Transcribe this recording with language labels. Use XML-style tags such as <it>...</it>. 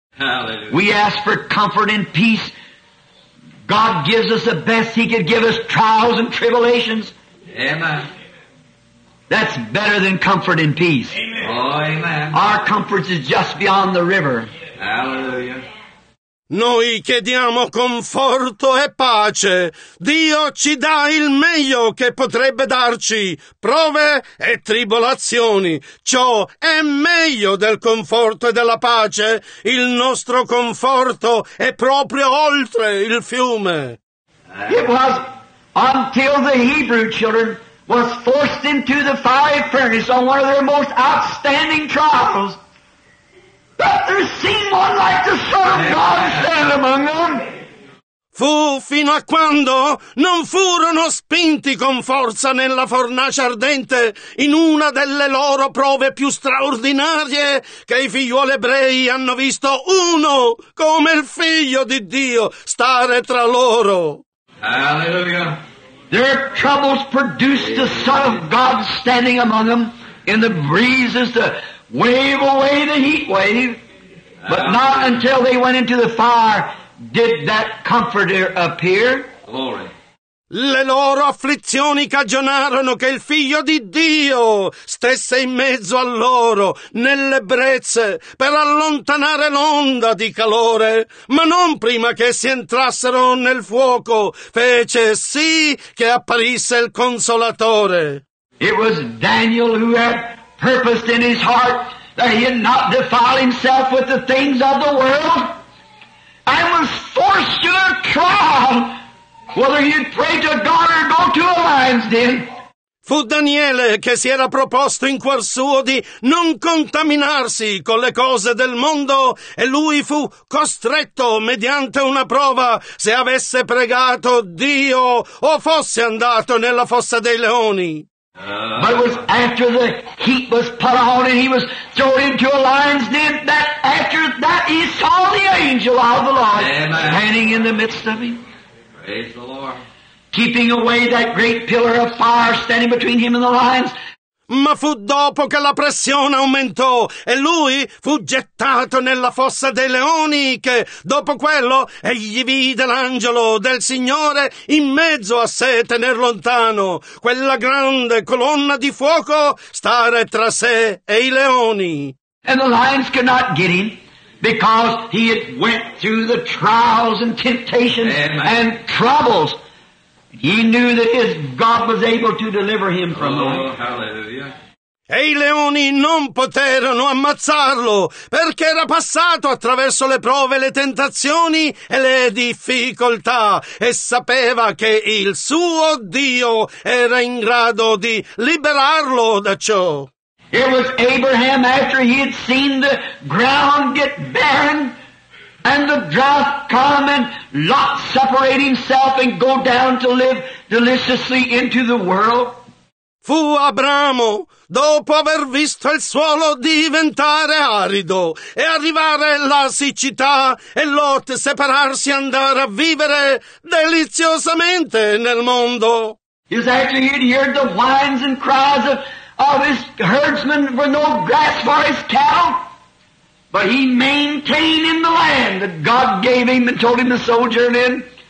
<en>Hallelujah. We ask for comfort and peace. God gives us the best He could give us, trials and tribulations. Amen. That's better than comfort and peace. Amen. Oh, amen. Our comfort is just beyond the river. Hallelujah.</en> <it>Noi chiediamo conforto e pace. Dio ci dà il meglio che potrebbe darci, prove e tribolazioni. Ciò è meglio del conforto e della pace. Il nostro conforto è proprio oltre il fiume.</it> <en>It was until the Hebrew children was forced into the fiery furnace on one of their most outstanding trials, that there seemed one like the Son of God stand among them.</en> <it>Fu fino a quando non furono spinti con forza nella fornace ardente in una delle loro prove più straordinarie che i figlioli ebrei hanno visto uno come il Figlio di Dio stare tra loro. Alleluia.</it> <en>Their troubles produced the Son of God standing among them in the breezes to wave away the heat wave. But not until they went into the fire did that comforter appear. Glory.</en> <it>le loro afflizioni cagionarono che il Figlio di Dio stesse in mezzo a loro, nelle brezze, per allontanare l'onda di calore. Ma non prima che si entrassero nel fuoco, fece sì che apparisse il Consolatore.</it> <en>It was Daniel who had purposed in his heart that he had not defiled himself with the things of the world, and was forced to a trial whether he'd pray to God or go to a lion's den.</en> <it>Fu Daniele che si era proposto in cuor suo di non contaminarsi con le cose del mondo, e lui fu costretto mediante una prova se avesse pregato Dio o fosse andato nella fossa dei leoni.</it> <en>But it was after the heat was put on and he was thrown into a lion's den, that after that he saw the angel of the Lord standing in the midst of him. Praise the Lord. Keeping away that great pillar of fire standing between him and the lions.</en> <it>Ma fu dopo che la pressione aumentò e lui fu gettato nella fossa dei leoni che, dopo quello, egli vide l'angelo del Signore in mezzo a sé tener lontano quella grande colonna di fuoco stare tra sé e i leoni.</it> <en>And the lions could not get him because he had went through the trials and temptations and troubles. He knew that his God was able to deliver him from them. Oh, hallelujah.</en> <it>E i leoni non poterono ammazzarlo, perché era passato attraverso le prove, le tentazioni e le difficoltà, e sapeva che il suo Dio era in grado di liberarlo da ciò.</it> <en>It was Abraham, after he had seen the ground get barren, and the drought come, and Lot separate himself and go down to live deliciously into the world.</en> <it>Fu Abramo, dopo aver visto il suolo diventare arido e arrivare la siccità, e Lot separarsi e andare a vivere deliziosamente nel mondo.</it> <en>Is actually he'd heard the whines and cries of his herdsmen for no grass for his cattle. But he maintained in the land that God gave him and told him to sojourn in.</en>